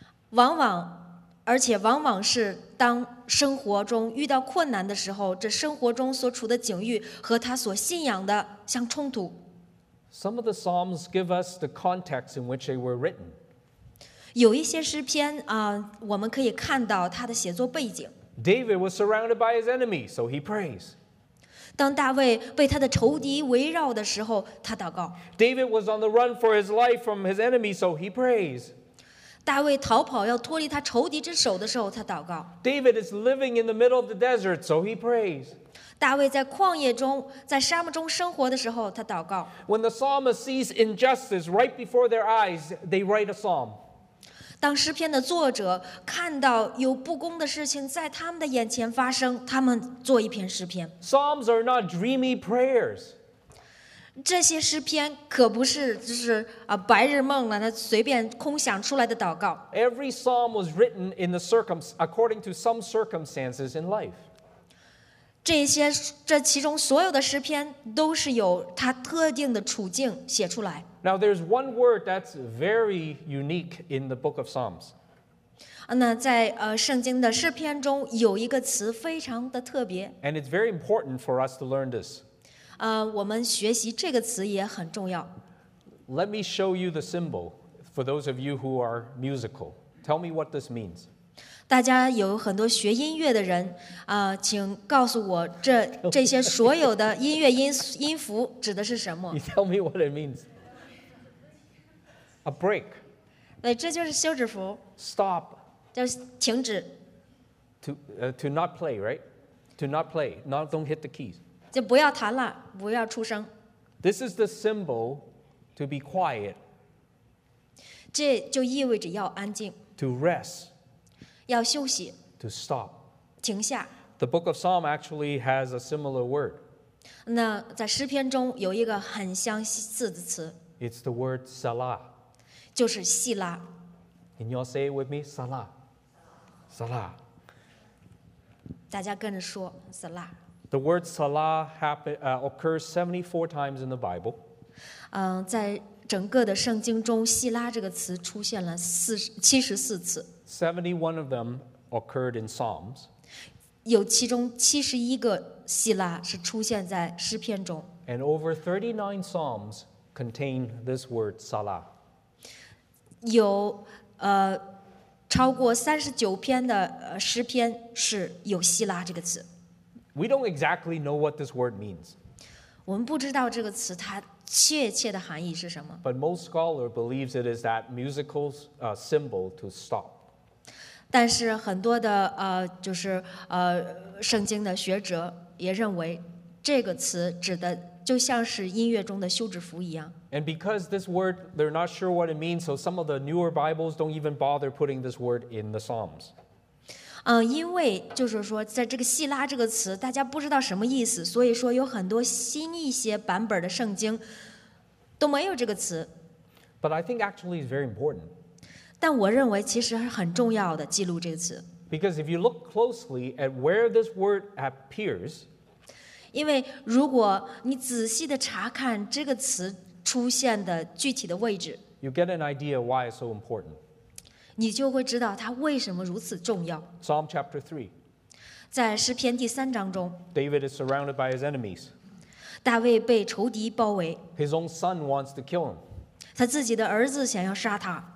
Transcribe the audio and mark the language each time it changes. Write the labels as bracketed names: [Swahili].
[Chinese] 往往而且往往是当生活中遇到困难的时候，这生活中所处的境遇和他所信仰的相冲突。 [English] Some of the psalms give us the context in which they were written. [Chinese] 有一些诗篇我们可以看到他的写作背景。 [English] David was surrounded by his enemy, so he prays. [Chinese] 当大卫被他的仇敌围绕的时候，他祷告。 [English] David was on the run for his life from his enemy, so he prays. [Chinese] 大卫逃跑要脱离他仇敌之手的时候，他祷告。 [English] David is living in the middle of the desert, so he prays. [Chinese] 大卫在旷野中，在沙漠中生活的时候，他祷告。 [English] When the psalmist sees injustice right before their eyes, they write a psalm. [Chinese] 当诗篇的作者看到有不公的事情在他们的眼前发生，他们做一篇诗篇。 [English] Psalms are not dreamy prayers. [Chinese] 这些诗篇可不是就是白日梦了，那随便空想出来的祷告。 [English] Every psalm was written in the according to some circumstances in life. [Chinese] 这其中所有的诗篇都是有它特定的处境写出来。 [English] Now there's one word that's very unique in the book of Psalms. [Chinese] 那在圣经的诗篇中有一个词非常的特别。 [English] And it's very important for us to learn this. [Chinese] 我们学习这个词也很重要。 [English] Let me show you the symbol for those of you who are musical. Tell me what this means. [Chinese] 大家有很多学音乐的人请告诉我这些所有的音乐音符指的是什么。 [English] You tell me what it means. A break. [Chinese] 对，这就是休止符。 [English] Stop. [Chinese] 就是停止。 [English] To not play, right? To not play. Not, don't hit the keys. [Chinese] 就不要弹了，不要出声。 [English] This is the symbol to be quiet. [Chinese] 这就意味着要安静。 [English] To rest. [Chinese] 要休息。 [English] To stop. [Chinese] 停下。 [English] The book of Psalm actually has a similar word. [Chinese] 那在诗篇中有一个很相似的词。 [English] It's the word Salah. [Chinese] 就是细拉。 [English] Can you all say it with me? Salah. Salah. [Chinese] 大家跟着说 Salah. [English] The word Salah occurs 74 times in the Bible. [Chinese] 在整个的圣经中，细拉这个词出现了74次。 [English] 71 of them occurred in Psalms. [Chinese] 有其中71个细拉是出现在诗篇中。 [English] And over 39 Psalms contain this word Salah. [Chinese] 有超过39篇的诗篇是有细拉这个词。 [English] We don't exactly know what this word means. [Chinese] 我们不知道这个词它确切的含义是什么。 [English] But most scholars believe it is that musical symbol to stop. [Chinese] 但是很多的就是圣经的学者也认为这个词指的就像是音乐中的休止符一样。 [English] And because this word, they're not sure what it means, so some of the newer Bibles don't even bother putting this word in the Psalms. [Chinese] 因为就是说在这个希拉这个词大家不知道什么意思，所以说有很多新一些版本的圣经都没有这个词。 [English] But I think actually it's very important. [Chinese] 但我认为其实很重要的记录这个词。 [English] Because if you look closely at where this word appears, [Chinese] 因为如果你仔细地查看这个词出现的具体的位置， [English] you get an idea why it's so important. [Chinese] 你就会知道它为什么如此重要。 [English] Psalm chapter 3. [Chinese] 在诗篇第三章中， [English] David is surrounded by his enemies. [Chinese] 大卫被仇敌包围。 [English] His own son wants to kill him. [Chinese] 他自己的儿子想要杀他。